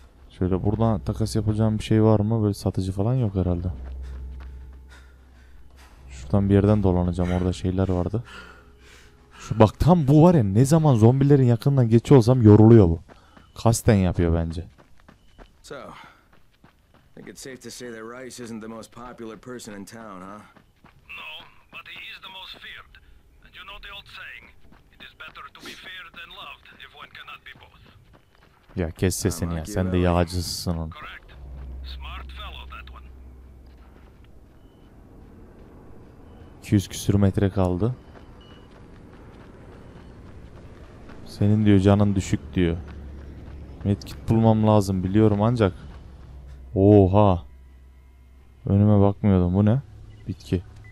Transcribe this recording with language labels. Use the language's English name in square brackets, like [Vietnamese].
[Turkish] Şöyle buradan takas yapacağım bir şey var mı? Böyle satıcı falan yok herhalde. Şuradan bir yerden dolanacağım. Orada şeyler vardı. Şu bak tam bu var ya. Ne zaman zombilerin yakından geçiyor olsam yoruluyor bu. Kasten yapıyor bence. [English] So. I think it's safe to say that Rice isn't the most popular person in town, huh? No, but he is the most feared. And you know the old saying, it is better to be feared than loved if one cannot be both. [Turkish] Ya kes sesini ya, sen de yağcısısın onun. [English] Correct. Smart fellow that one. [Turkish] 200 küsür metre kaldı. Senin diyor canın düşük diyor. Medkit bulmam lazım biliyorum ancak. Oha. Önüme bakmıyordum. Bu ne? Bitki.